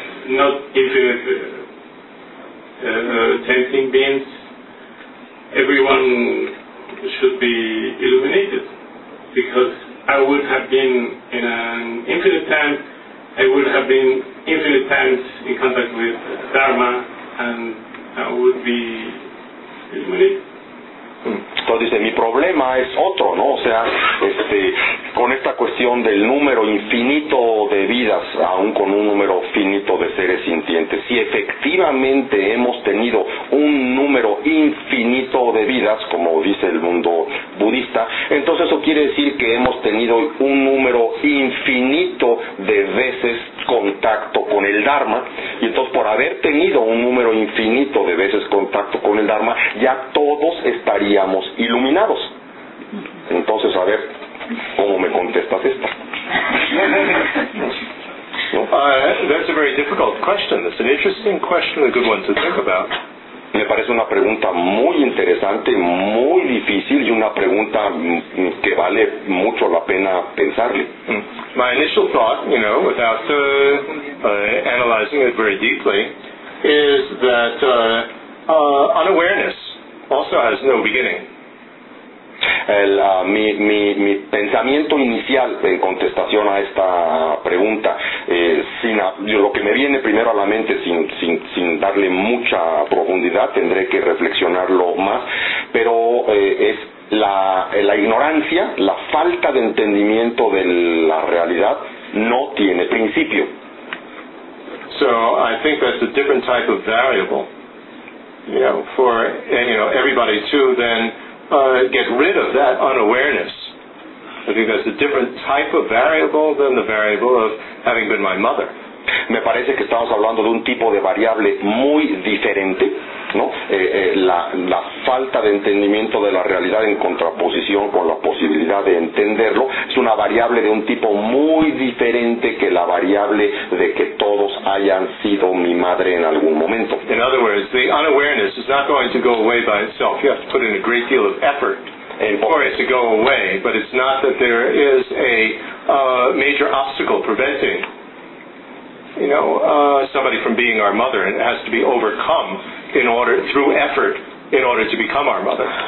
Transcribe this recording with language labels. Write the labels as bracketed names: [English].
[English] not infinite sentient beings, everyone should be illuminated, because I would have been in an infinite time, I would have been infinite times in contact with Dharma, and I would be illuminated. [Spanish] Entonces dice, mi problema es otro, ¿no? O sea, con esta cuestión del número infinito de vidas, aún con un número finito de seres sintientes, si efectivamente hemos tenido un número infinito de vidas, como dice el mundo budista, entonces eso quiere decir que hemos tenido un número infinito de veces contacto con el Dharma, y entonces por haber tenido un número infinito de veces contacto con el Dharma, ya todos estaríamos iluminados. Entonces, a ver, ¿cómo me contestas esta? [English] ¿No? That's a very difficult question. It's an interesting question, a good one to think about. [Spanish] Me parece una pregunta muy interesante, muy difícil, y una pregunta que vale mucho la pena pensarle. [English] My initial thought, you know, without analyzing it very deeply, is that unawareness also has no beginning. [Spanish] Mi pensamiento inicial en contestación a esta pregunta, lo que me viene primero a la mente sin darle mucha profundidad, tendré que reflexionarlo más, pero es la ignorancia, la falta de entendimiento de la realidad no tiene principio. [English] So I think that's a different type of variable, you know, for everybody too, then get rid of that unawareness. I think that's a different type of variable than the variable of having been my mother. [Spanish] Me parece que estamos hablando de un tipo de variable muy diferente, ¿no? La falta de entendimiento de la realidad en contraposición con la posibilidad de entenderlo es una variable de un tipo muy diferente que la variable de que todos hayan sido mi madre en algún momento. [English] In other words, the unawareness is not going to go away by itself. You have to put in a great deal of effort for it to go away, but it's not that there is a major obstacle preventing somebody from being our mother, and it has to be overcome in order, through effort, in order to become our mother.